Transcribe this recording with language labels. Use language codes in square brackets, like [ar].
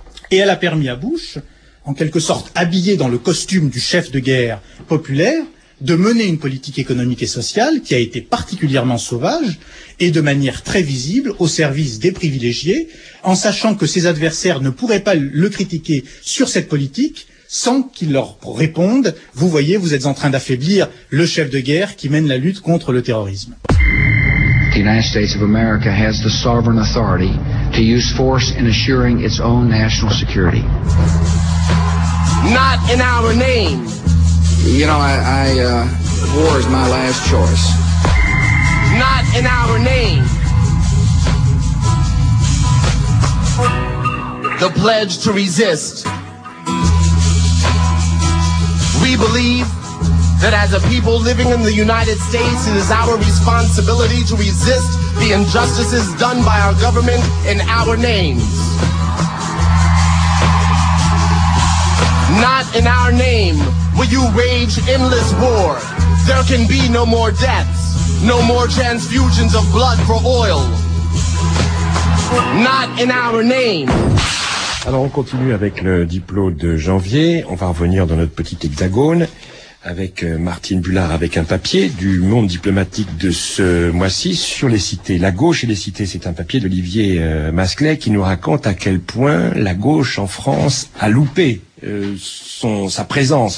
[fr] Et elle a permis à Bush, en quelque sorte habillé dans le costume du chef de guerre populaire, de mener une politique économique et sociale qui a été particulièrement sauvage et de manière très visible au service des privilégiés, en sachant que ses adversaires ne pourraient pas le critiquer sur cette politique sans qu'il leur réponde « Vous voyez, vous êtes en train d'affaiblir le chef de guerre qui mène la lutte contre le terrorisme ». [en] The United States of America has the sovereign authority to use force in assuring its own national security. Not in our name. You know, war is my last choice. Not in our name. The pledge to resist. We believe that as a people living in the United States, it is our responsibility to resist the injustices done by our government in our names. Not in our name will you wage endless war. There can be no more deaths, no more transfusions of blood for oil. Not in our name. [fr] Alors on continue avec le diplôme de janvier. On va revenir dans notre petit hexagone avec Martine Bullard, avec un papier du Monde diplomatique de ce mois-ci sur les cités. La gauche et les cités, c'est un papier d'Olivier Masclet qui nous raconte à quel point la gauche en France a loupé sa présence.